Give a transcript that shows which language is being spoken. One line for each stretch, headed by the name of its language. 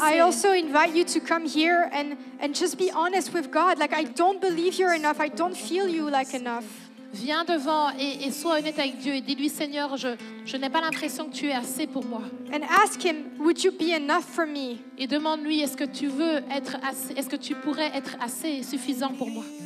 English: I also invite you to come here and just be honest with God. Like, I don't believe you're enough. I don't feel you like enough.
French: Viens devant et sois honnête avec Dieu et dis-lui, Seigneur, je n'ai pas l'impression que tu es assez pour moi.
English: And ask him, would you be enough for me?
French: Et demande-lui, est-ce que tu veux être assez, est-ce que tu pourrais être assez et suffisant pour moi?